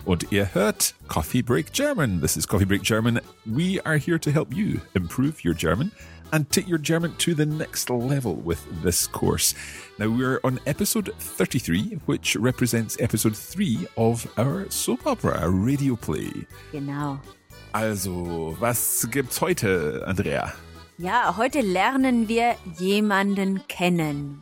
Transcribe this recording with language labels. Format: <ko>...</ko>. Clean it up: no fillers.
<de>Und ihr hört Coffee Break German.</de> <en>This is Coffee Break German. We are here to help you improve your German and take your German to the next level with this course. Now, we're on episode 33, which represents episode 3 of our soap opera, our radio play.</en> <de>Genau. Also, was gibt's heute, Andrea? Ja, heute lernen wir jemanden kennen.</de>